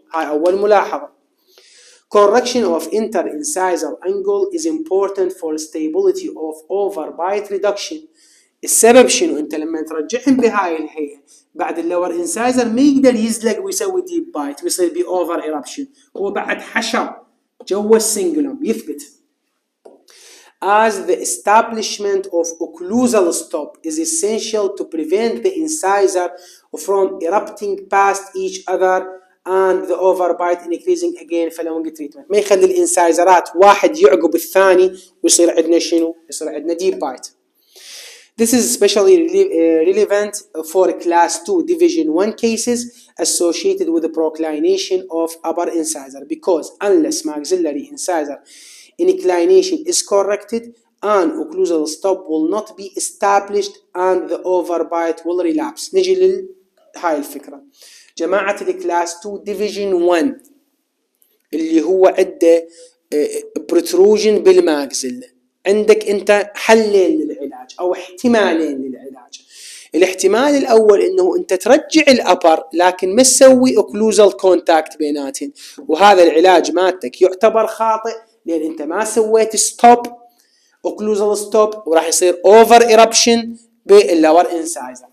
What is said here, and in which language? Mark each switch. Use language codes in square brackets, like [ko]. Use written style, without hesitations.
[ar] هاي أول ملاحظة. [en] correction of inter-incisal angle is important for stability of overbite reduction. [ar] السبب شنو؟ أنت لما ترجعهم بهاي الهيئة بعد اللور incisor ما يقدر يزلق ويسوي deep bite ويصير بي over eruption، هو بعد حشر جوا السنجلوم يثبت. [en] As the establishment of occlusal stop is essential to prevent the incisor from erupting past each other and the overbite increasing again following treatment. [ar] ما يخلي الانسايزرات واحد يعقب الثاني ويصير عندنا شنو؟ يصير عندنا deep bite. [en] This is especially relevant for class 2 division 1 cases associated with the proclination of upper incisor, because unless maxillary incisor inclination is corrected, an occlusal stop will not be established and the overbite will relapse. [ar] نجي لهاي الفكرة. جماعة الكلاس 2 division 1 اللي هو عده بروتروجن بالماكسل، عندك انت حلين للعلاج او احتمالين للعلاج. الاحتمال الاول انه انت ترجع الابر لكن ما تسوي occlusal contact بيناتهم، وهذا العلاج مالتك يعتبر خاطئ لان انت ما سويت ستوب اوكلوزال ستوب، وراح يصير اوفر ايربشن باللور انسايزر.